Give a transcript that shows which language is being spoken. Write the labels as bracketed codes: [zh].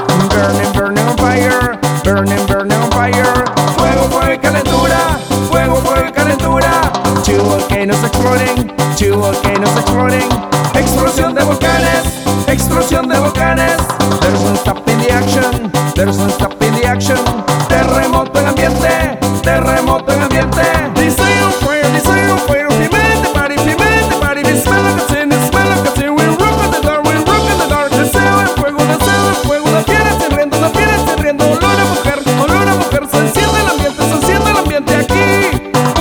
[en] Burning, burning on fire, burning, burning on fire. [es] Fuego, fuego y calentura, fuego, fuego y calentura. [en] Two volcanoes exploding, two volcanoes exploding. [es] Explosión de volcanes, explosión de volcanes. [en] There's no stopping the action, there's no stopping the action. [es] Terremoto en ambiente, terremoto en ambiente. [en] Desire on fire, desire on fire. Humanity party, humanity party. We smell like a sin, we smell like a sin. We rock in the dark, we rock in the dark. [es] Deseo el fuego, deseo el fuego. La piel está riendo, la piel está riendo. Olor a mujer, olor a mujer. Se enciende el ambiente, se enciende el ambiente aquí.